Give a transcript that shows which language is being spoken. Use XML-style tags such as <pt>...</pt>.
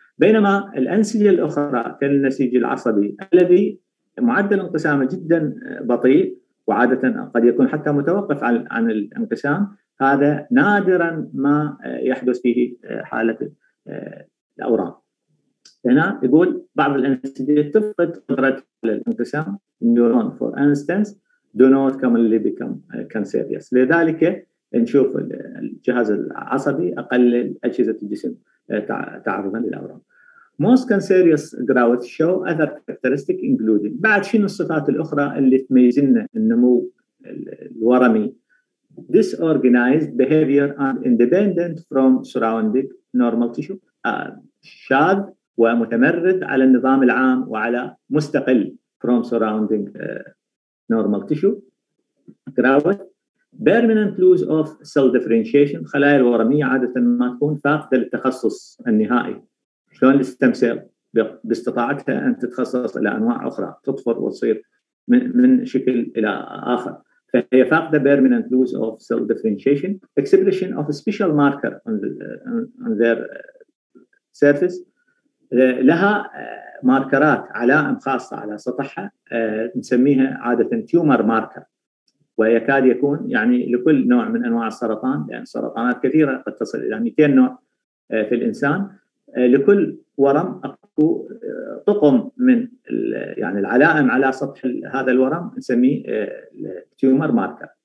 <ar>بينما الأنسجة الأخرى كالنسيج العصبي الذي معدل انقسامه جدا بطيء وعادة قد يكون حتى متوقف عن الانقسام، هذا نادرا ما يحدث فيه حالة الأورام. هنا يقول بعض الأنسجة تفقد قدرة الانقسام،</ar> <en>neuron for instance do not commonly become cancerous.</en> <ar>لذلك نشوف الجهاز العصبي أقل أجهزة الجسم تعرضا للأورام.</ar> <en>Most cancerous growth show other characteristics including.</en> <ar>بعد شنو الصفات الأخرى اللي تميزنا النمو الورمي؟</ar> <en>Disorganized behavior and independent from surrounding normal tissue.</en> <ar>شاذ ومتمرد على النظام العام وعلى مستقل</ar> <en>from surrounding normal tissue. Growth permanent loss of cell differentiation.</en> <ar>خلايا الورمية عادة ما تكون فاقدة للتخصص النهائي. شلون الستم سيل باستطاعتها أن تتخصص إلى أنواع أخرى، تطفر وتصير من شكل إلى آخر. فهي فاقدة</ar> <en>permanent loss of cell differentiation. Expression of a special marker on their surface.</en> <ar>لها ماركرات علائم خاصة على سطحها نسميها عادة تيومر ماركر، ويكاد يكون يعني لكل نوع من أنواع السرطان، لأن يعني سرطانات كثيرة قد تصل إلى 200 نوع في الإنسان، لكل ورم أكو طقم من يعني العلائم على سطح هذا الورم نسميه تيومر ماركر.</ar>